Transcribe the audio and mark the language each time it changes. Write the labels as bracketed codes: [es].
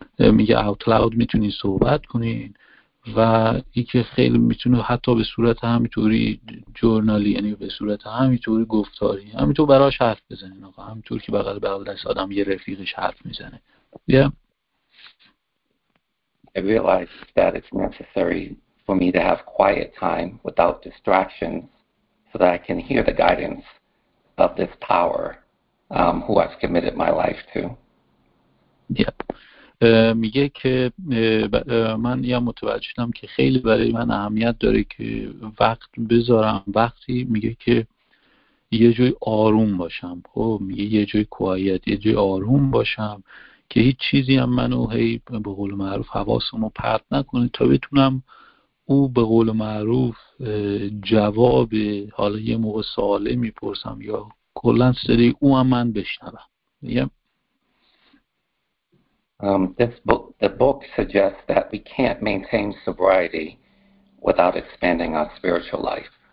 [fa] میگه [en] out loud [fa] میتونین صحبت کنین و این که خیلی میتونه حتی به صورت همینطوری جورنالی یعنی به صورت همینطوری گفتاری همینطور براش حرف بزنین آقا همینطور که بغل بغل دست آدم یه رفیقش حرف میزنه. [en] Yeah. I realize that it's necessary for me to have quiet time without distractions so that I can hear the guidance of this power who I've committed my life to. Yeah. [fa] میگه که من یه متوجه شدم که خیلی برای من اهمیت داره که وقت بذارم وقتی میگه که یه جای آروم باشم خب میگه یه جای کوایت یه جای آروم باشم که هیچ چیزی هم منو هی به قول معروف حواسمو پرت نکنه تا بتونم او به قول معروف جواب حالا یه موقع سوالی میپرسم یا کلن سری او هم من بشنوم. [en] The book suggests that we can't maintain sobriety without expanding our spiritual life.